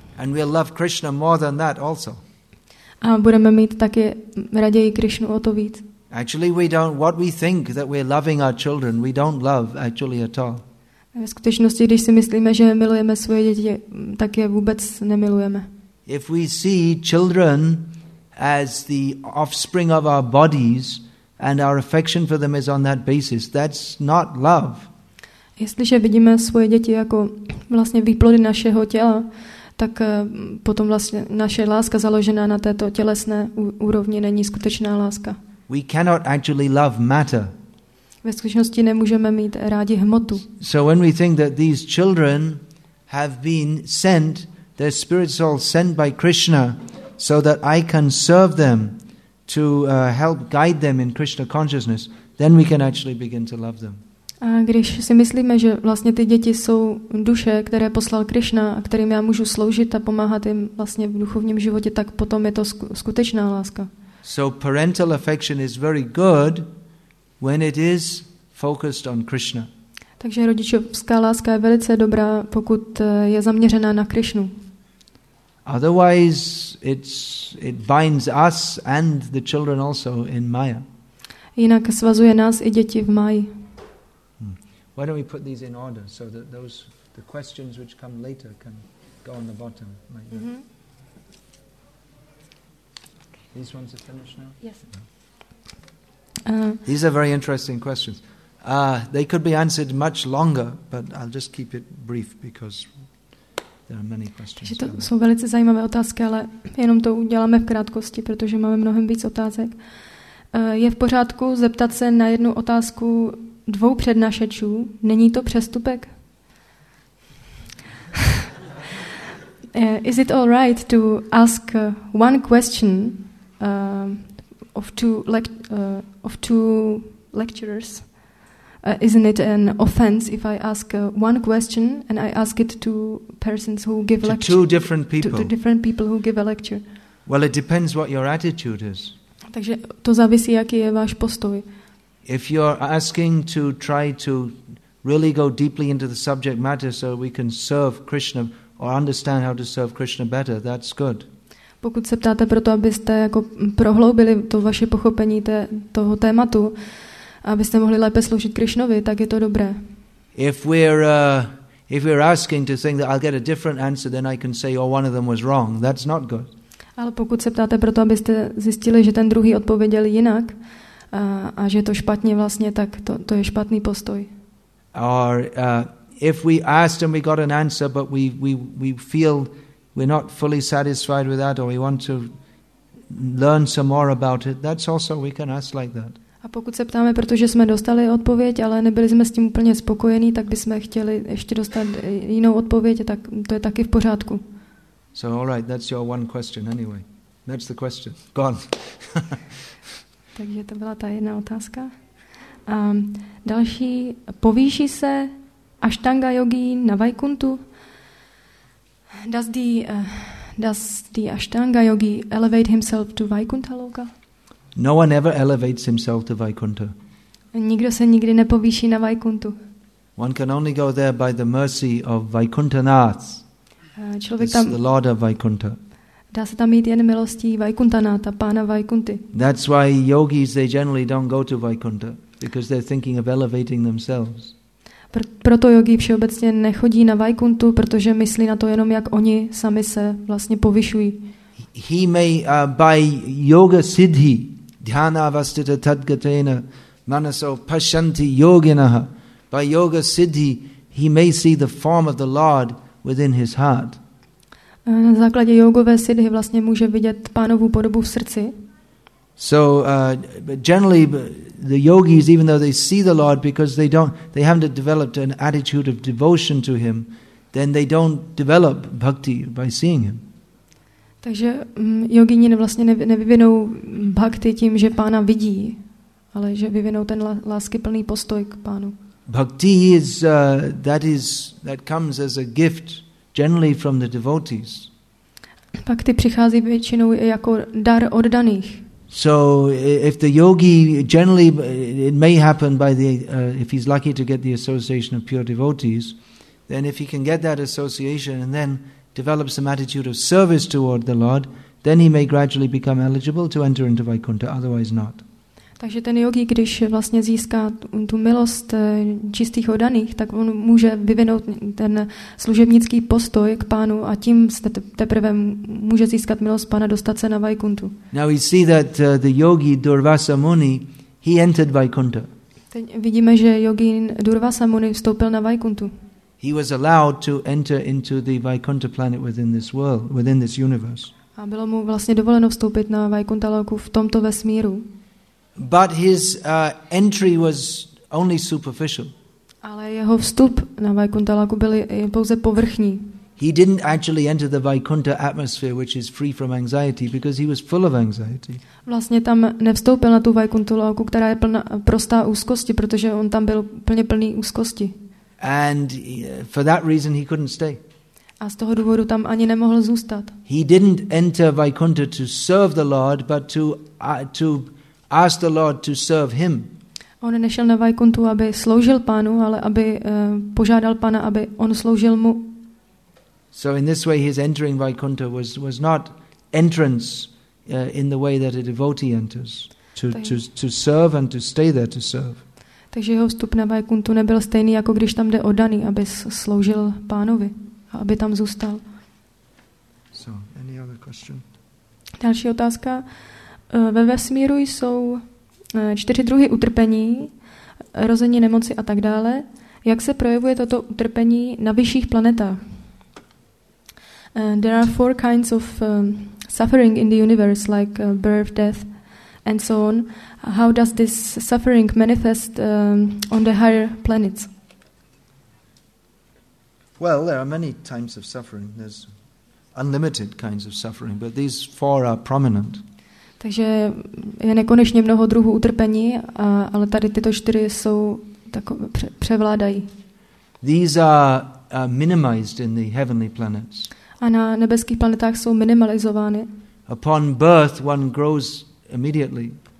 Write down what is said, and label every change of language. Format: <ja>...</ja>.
<en>And we'll love Krishna more than that also.</en> <cs>A budeme mít taky raději Krišnu o to víc.</cs> <en>Actually, we don't. What we think that we're loving our children, we don't love actually at all.</en> <cs>Ve skutečnosti, když si myslíme, že milujeme svoje děti, tak je vůbec nemilujeme.</cs> <en>If we see children as the offspring of our bodies, and our affection for them is on that basis, that's not love.</en> <cs>Jestliže vidíme svoje děti jako vlastně výplody našeho těla, tak potom vlastně naše láska založená na této tělesné úrovni není skutečná láska.</cs> <en>We cannot actually love matter.</en> <cs>Ve skutečnosti nemůžeme mít rádi hmotu.</cs> <en>So when we think that these children have been sent, their spirits all sent by Krishna, so that I can serve them, to help guide them in Krishna consciousness, then we can actually begin to love them.</en> <cs>A když si myslíme, že vlastně ty děti jsou duše, které poslal Krishna, a kterým já můžu sloužit a pomáhat jim vlastně v duchovním životě, tak potom je to skutečná láska.</cs> <en>So parental affection is very good when it is focused on Krishna.</en> <cs>Takže rodičovská láska je velice dobrá, pokud je zaměřená na Krishnu.</cs> <en>Otherwise, it binds us and the children also in Maya.</en> <cs>Jinak svazuje nás i děti v Maji.</cs> <en>Why don't we put these in order so that the questions which come later can go on the bottom? Like that. Mm-hmm. These ones are finished now. Yes. These are very interesting questions. They could be answered much longer, but I'll just keep it brief because.</en> <cs>Takže to jsou velice zajímavé otázky, ale jenom to uděláme v krátkosti, protože máme mnohem víc otázek. Je v pořádku zeptat se na jednu otázku dvou přednášečů? Není to přestupek?</cs> <en>Is it all right to ask one question of two lecturers? Isn't it an offense if I ask one question and I ask it to persons who give lecture? To two different people. To different people who give a lecture. Well, it depends what your attitude is.</en> <cs>Takže to závisí, jaký je váš postoj.</cs> <en>If you're asking to try to really go deeply into the subject matter so we can serve Krishna or understand how to serve Krishna better, that's good.</en> <cs>Pokud se ptáte proto, abyste jako prohloubili to vaše pochopení toho tématu, abyste mohli lépe sloužit Krišnovi, tak je to dobré.</cs> <en>If we're asking to think that I'll get a different answer, then I can say, oh, one of them was wrong. That's not good.</en> <cs>Ale pokud se ptáte proto, abyste zjistili, že ten druhý odpověděl jinak a že to špatně vlastně, tak to je špatný postoj.</cs> <en>Or if we asked and we got an answer, but we feel we're not fully satisfied with that, or we want to learn some more about it, that's also, we can ask like that.</en> <cs>A pokud se ptáme, protože jsme dostali odpověď, ale nebyli jsme s tím úplně spokojení, tak bychom chtěli ještě dostat jinou odpověď, tak to je taky v pořádku.</cs> <en>So all right, that's your one question anyway. That's the question. Go on.</en> <cs>Takže to byla ta jedna otázka. Další, povýší se Ashtanga yogin na Vaikuntu?</cs> <en>Does the Ashtanga yogi elevate himself to Vaikuntha loka? No one ever elevates himself to Vaikuntha.</en> <cs>Nikdo se nikdy nepovýší na Vaikuntu.</cs> <en>One can only go there by the mercy of Vaikunthanath.</en> <cs>Člověk tam,</cs> <en>the Lord of Vaikuntha.</en> <cs>Dá se tam jít jen milostí Vaikunthanatha, pána Vaikunty.</cs> <en>That's why yogis, they generally don't go to Vaikuntha, because they're thinking of elevating themselves.</en> <cs>Proto jogi všeobecně nechodí na Vaikuntu, protože myslí na to jenom, jak oni sami se vlastně povyšují.</cs> <en>He may by</en> <sa>yoga siddhi dhyana avastita tadgatena manaso pashanti yoginaha.</sa> <en>By yoga siddhi he may see the form of the Lord within his heart.</en> <cs>Na základě jogové siddhi vlastně může vidět pánovu podobu v srdci.</cs> <en>So generally the yogis, even though they see the Lord, because they haven't developed an attitude of devotion to him, then they don't develop bhakti by seeing him.</en> <cs>Takže jogini vlastně nevyvinou bhakti tím, že pána vidí, ale že vyvinou ten láskyplný postoj k pánu.</cs> <en>Bhakti is that comes as a gift generally from the devotees.</en> <cs>Bhakti přichází většinou jako dar od daných.</cs> <en>So if the yogi generally, it may happen by the if he's lucky to get the association of pure devotees, then if he can get that association and then develop some attitude of service toward the Lord, then he may gradually become eligible to enter into Vaikuntha, otherwise not.</en> <cs>Takže ten yogi, když vlastně získá tu milost čistých oddaných, tak on může vyvinout ten služebnický postoj k pánu a tím teprve může získat milost pána, dostat se na Vaikuntu.</cs> <en>Now we see that the yogi Durvasa Muni, he entered Vaikuntha.</en> <cs>Teď vidíme, že yogin Durvasa Muni vstoupil na Vaikuntu.</cs> <en>He was allowed to enter into the Vaikuntha planet within this world, within this universe.</en> <cs>A bylo mu vlastně dovoleno vstoupit na Vaikuntha loku v tomto vesmíru.</cs> <en>But his entry was only superficial.</en> <cs>Ale jeho vstup na Vaikuntha loku byl pouze povrchní.</cs> <en>He didn't actually enter the Vaikuntha atmosphere, which is free from anxiety, because he was full of anxiety.</en> <cs>Vlastně tam nevstoupil na tu Vaikuntha loku, která je plná prostá úzkosti, protože on tam byl plně plný úzkosti.</cs> <en>And for that reason he couldn't stay.</en> <cs>A z toho důvodu tam ani nemohl zůstat.</cs> <en>He didn't enter Vaikuntha to serve the Lord, but to ask the Lord to serve him.</en> <cs>On nešel na Vaikuntu, aby sloužil pánu, ale aby požádal pána, aby on sloužil mu.</cs> <en>So in this way his entering Vaikuntha was not entrance in the way that a devotee enters to serve and to stay there to serve.</en> <cs>Takže jeho vstup na Vaikuntu nebyl stejný, jako když tam jde oddaný, aby sloužil pánovi a aby tam zůstal.</cs> <en>So, any other question?</en> <cs>Další otázka. Ve vesmíru jsou čtyři druhy utrpení, rození, nemoci a tak dále. Jak se projevuje toto utrpení na vyšších planetách?</cs> <en>There are four kinds of suffering in the universe, like birth, death, and so on. How does this suffering manifest on the higher planets? Well, there are many types of suffering. There's unlimited kinds of suffering, but these four are prominent.</en> <cs>Takže je nekonečně mnoho druhů utrpení, ale tady tyto čtyři jsou takové převládají.</cs> <en>These are minimized in the heavenly planets.</en> <cs>A na nebeských planetách jsou minimalizovány.</cs> <en>Upon birth, one grows immediately.</en>